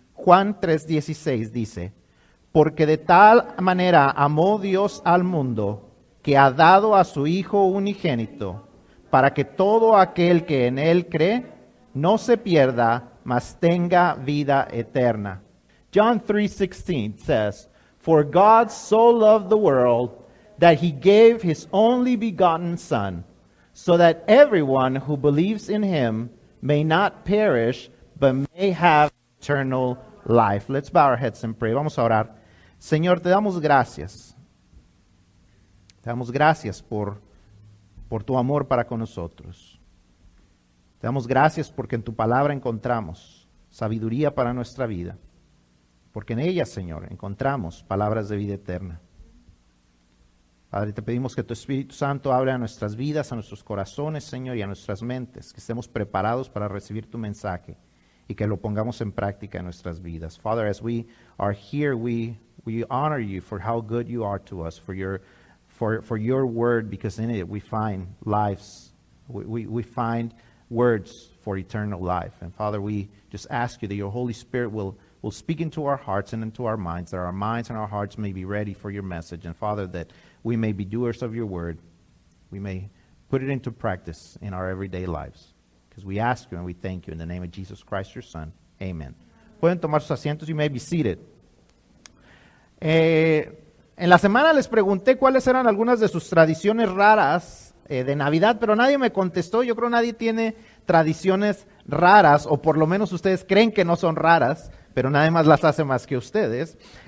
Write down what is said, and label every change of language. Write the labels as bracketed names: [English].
[Spanish] Juan 3:16 dice, porque de tal manera amó Dios al mundo que ha dado a su Hijo unigénito, para que todo aquel que en él cree no se pierda, mas tenga vida eterna. [English] John 3:16 says, for God so loved the world that he gave his only begotten Son, so that everyone who believes in him may not perish, but may have eternal life. Let's bow our heads and pray. [Spanish] Vamos a orar. Señor, te damos gracias. Te damos gracias por tu amor para con nosotros. Te damos gracias porque en tu palabra encontramos sabiduría para nuestra vida. Porque en ella, Señor, encontramos palabras de vida eterna. Padre, te pedimos que tu Espíritu Santo hable a nuestras vidas, a nuestros corazones, Señor, y a nuestras mentes, que estemos preparados para recibir tu mensaje y que lo pongamos en práctica en nuestras vidas. [English] Father, as we are here, we honor you for how good you are to us, for your word, because in it we find lives, we find words for eternal life. And Father, we just ask you that your Holy Spirit will speak into our hearts and into our minds, that our minds and our hearts may be ready for your message. And Father, that we may be doers of your word. We may put it into practice in our everyday lives. Because we ask you and we thank you in the name of Jesus Christ, your Son. [Spanish] Amen. Pueden tomar sus asientos. [English] You may be seated. [Spanish] En la semana les pregunté cuáles eran algunas de sus tradiciones raras de Navidad, pero nadie me contestó. Yo creo nadie tiene tradiciones raras, o por lo menos ustedes creen que no son raras, pero nadie más las hace más que ustedes.